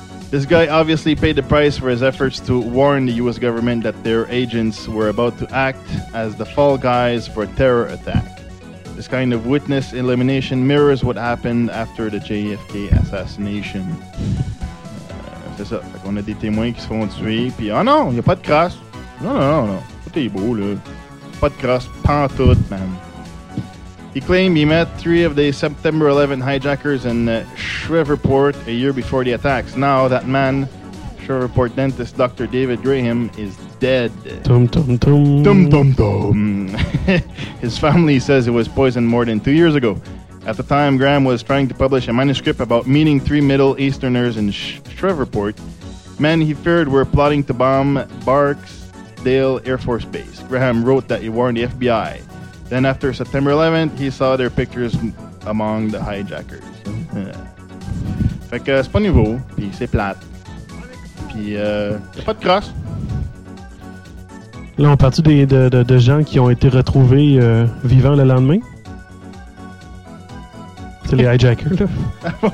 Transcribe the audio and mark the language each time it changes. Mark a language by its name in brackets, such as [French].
[English] This guy obviously paid the price for his efforts to warn the US government that their agents were about to act as the fall guys for a terror attack. This kind of witness elimination mirrors what happened after the JFK assassination. [French] C'est ça. Fait qu'on a des témoins qui se font tuer, puis ah non, y a pas de crasse. Non. Tout est beau, là. Pas de crasse, pantoute, man. [English] He claimed he met three of the September 11 hijackers in Shreveport a year before the attacks. Now that man, Shreveport dentist Dr. David Graham, is dead. Tum tum tum. Tum tum tum. His family says it was poisoned more than 2 years ago. At the time, Graham was trying to publish a manuscript about meeting three Middle Easterners in Shreveport, men he feared were plotting to bomb Barksdale Air Force Base. Graham wrote that he warned the FBI. Then after September 11th, he saw their pictures among the hijackers. Yeah. [French] Fait que c'est pas nouveau, pis c'est plate. Pis y'a pas de crosse. Là, on partit de gens qui ont été retrouvés vivants le lendemain. C'est les hijackers, là.